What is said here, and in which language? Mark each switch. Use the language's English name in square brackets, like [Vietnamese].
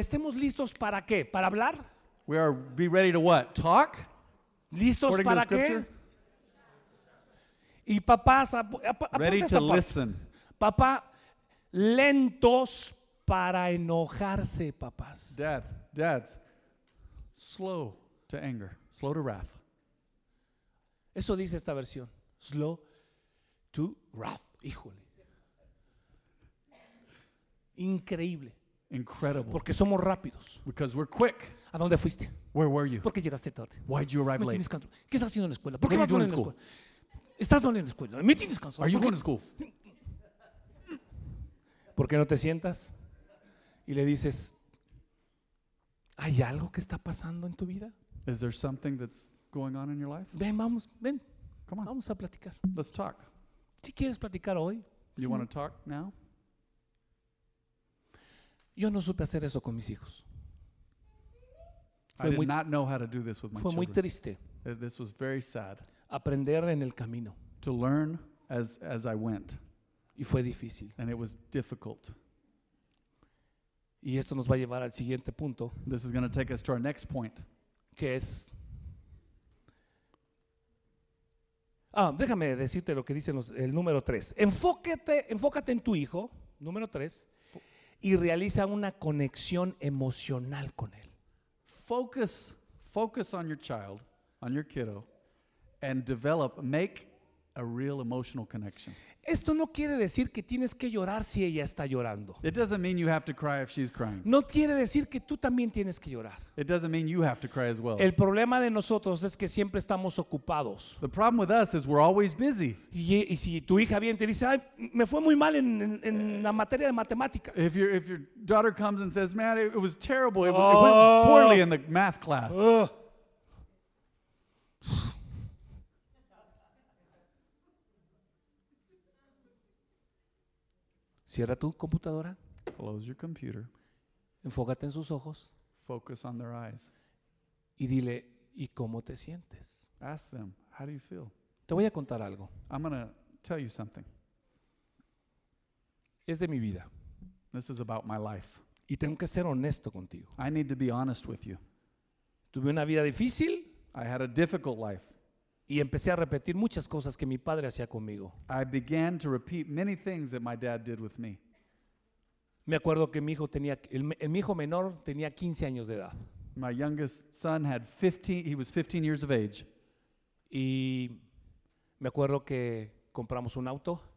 [Spanish] ¿Estemos listos para qué? ¿Para hablar? [English] We are be ready to what? Talk? [Spanish] ¿Listos para qué? Y papás, [English] ready to listen. [Spanish] Papá, lentos para enojarse, papás. [English] Dads, slow to anger, slow to wrath. [Spanish] Eso dice esta versión. [English] Slow to wrath. [Spanish] Híjole. Increíble. [English] Incredible. [Spanish] Porque somos rápidos. [English] Because we're quick. [Spanish] ¿A dónde fuiste? [English] Where were you? [Spanish] ¿Por qué llegaste tarde? [English] Why did you arrive late? [Spanish] ¿Qué estás haciendo en la escuela? ¿Por qué vas en la escuela? ¿Estás mal en la escuela? ¿Me tienes cansado? [English] Are you going to school? [Spanish] ¿Por qué no te sientas? Y le dices, ¿hay algo que está pasando en tu vida? [English] Is there something that's going on in your life? [Spanish] Ven, vamos, ven. [English] Come on. [Spanish] Vamos a platicar. [English] Let's talk. [Spanish] ¿Si quieres platicar hoy? [English] You want to talk now? [Spanish] Yo no supe hacer eso con mis hijos. [English] I did not know how to do this with my children. [Spanish] Fue muy triste. [English] This was very sad. [Spanish] Aprender en el camino. [English] To learn as I went. [Spanish] Y fue difícil. [English] And it was difficult. [Spanish] Y esto nos va a llevar al siguiente punto. [English] This is going to take us to our next point. [Spanish] Que es... déjame decirte lo que dice el número 3. Enfócate en tu hijo, número 3, y realiza una conexión emocional con él. [English] Focus on your child, on your kiddo, and develop, make a real emotional connection. [Spanish] Esto no quiere decir que tienes que llorar si ella está llorando. [English] It doesn't mean you have to cry if she's crying. [Spanish] No quiere decir que tú también tienes que llorar. [English] It doesn't mean you have to cry as well. [Spanish] El problema de nosotros es que siempre estamos ocupados. [English] The problem with us is we're always busy. [Spanish] Y si tu hija viene y te dice, ay, me fue muy mal en la materia de matemáticas. [English] If your daughter comes and says, man, it was terrible. It went poorly in the math class. [Spanish] Cierra tu computadora. [English] Close your computer. [Spanish] Enfócate en sus ojos. [English] Focus on their eyes. [Spanish] Y dile, ¿y cómo te sientes? [English] Ask them, how do you feel? [Spanish] Te voy a contar algo. [English] I'm going to tell you something. [Spanish] Es de mi vida. [English] This is about my life. [Spanish] Y tengo que ser honesto contigo. [English] I need to be honest with you. [Spanish] Tuve una vida difícil. [English] I had a difficult life. [Spanish] Y empecé a repetir muchas cosas que mi padre hacía conmigo. [English] I began to repeat many things that my dad did with me. [Spanish] Me acuerdo que mi hijo menor tenía 15 años de edad. [English] My youngest son had 15, he was 15 years of age. [Spanish] Y me acuerdo que compramos un auto.